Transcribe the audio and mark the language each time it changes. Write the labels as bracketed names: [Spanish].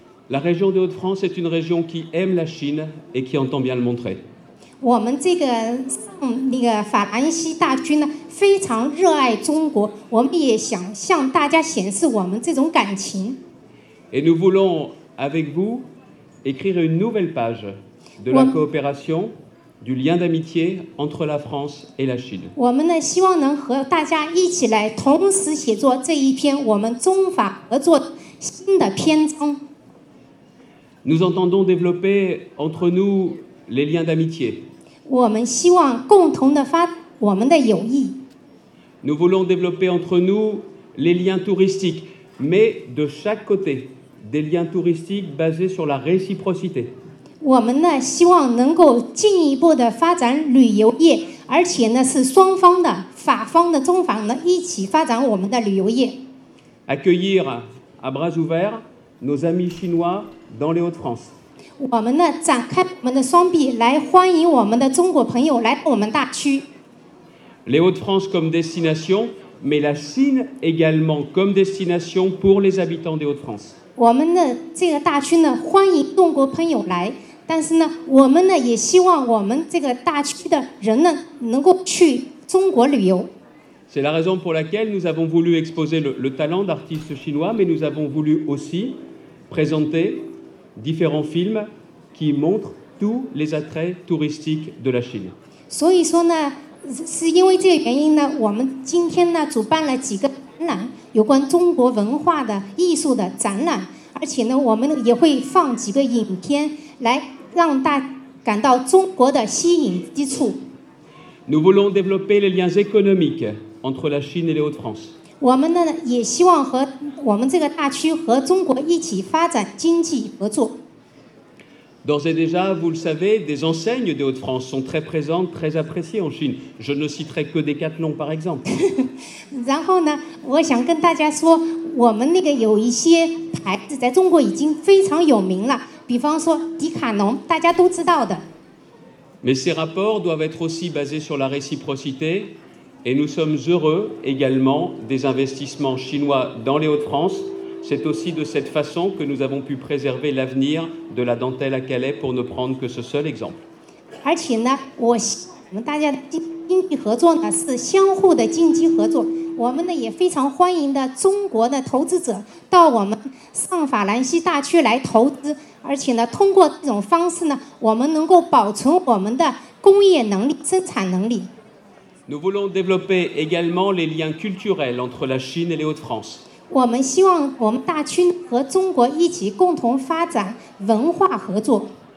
[French] La région des Hauts-de-France est une région qui aime la Chine et qui entend bien le montrer. [Chinese] 我们这个那个法兰西大区呢？非常热爱中国，我们也想向大家显示我们这种感情。 [French] Et nous voulons avec vous écrire une nouvelle page de la coopération, du lien d'amitié entre la France et la Chine. [Chinese] 我们呢希望能和大家一起来同时写作这一篇我们中法合作新的篇章。 [French] Nous entendons développer entre nous les liens d'amitié. [Chinese] 我们希望共同的发我们的友谊。 [French] Nous voulons développer entre nous les liens touristiques, mais de chaque côté, des liens touristiques basés sur la réciprocité. [Chinese] 我们呢希望能够进一步的发展旅游业，而且呢是双方的，法方的、中方的一起发展我们的旅游业。 [French] Accueillir à bras ouverts nos amis chinois dans les Hauts-de-France. [Chinese] 我们呢展开我们的双臂来欢迎我们的中国朋友来我们大区。 [French] Les Hauts-de-France comme destination, mais la Chine également comme destination pour les habitants des Hauts-de-France. [Chinese] 我们的这个大区呢，欢迎中国朋友来，但是呢，我们呢也希望我们这个大区的人呢能够去中国旅游。 [French] C'est la raison pour laquelle nous avons voulu exposer le talent d'artistes chinois, mais nous avons voulu aussi présenter différents films qui montrent tous les attraits touristiques de la Chine. [Chinese] 所以说呢，是因为这个原因呢，我们今天呢主办了几个展览，有关中国文化的艺术的展览。而且呢，我们也会放几个影片来让大家感到中国的吸引之处。 [French] Nous voulons développer les liens économiques entre la Chine et les Hauts-de-France. [Chinese] 我们呢也希望和我们这个大区和中国一起发展经济合作。 [French] D'ores et déjà, vous le savez, des enseignes des Hauts-de-France sont très présentes, très appréciées en Chine. Je ne citerai que Decathlon, par exemple. [Chinese] 然后呢，我想跟大家说，我们那个有一些牌子在中国已经非常有名了，比方说迪卡侬，大家都知道的。 [French] Mais ces rapports doivent être aussi basés sur la réciprocité, et nous sommes heureux également des investissements chinois dans les Hauts-de-France. C'est aussi de cette façon que nous avons pu préserver l'avenir de la dentelle à Calais pour ne prendre que ce seul exemple. [Chinese] 而且呢，我们大家经济合作呢是相互的经济合作。我们呢也非常欢迎的中国的投资者到我们上法兰西大区来投资。而且呢，通过这种方式呢，我们能够保存我们的工业能力、生产能力。 [French] Nous voulons développer également les liens culturels entre la Chine et les Hauts-de-France. [Chinese] 我们希望我们大区和中国一起共同发展文化合作。